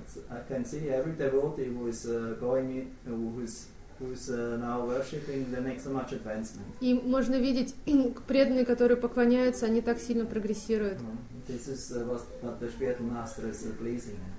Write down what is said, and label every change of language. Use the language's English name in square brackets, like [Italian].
[English] I can see every devotee who is going in, who is now worshipping, they make so much advancement. [Russian] И можно видеть, преданные, которые поклоняются, они так сильно прогрессируют. [English] This is what the spiritual master is pleasing.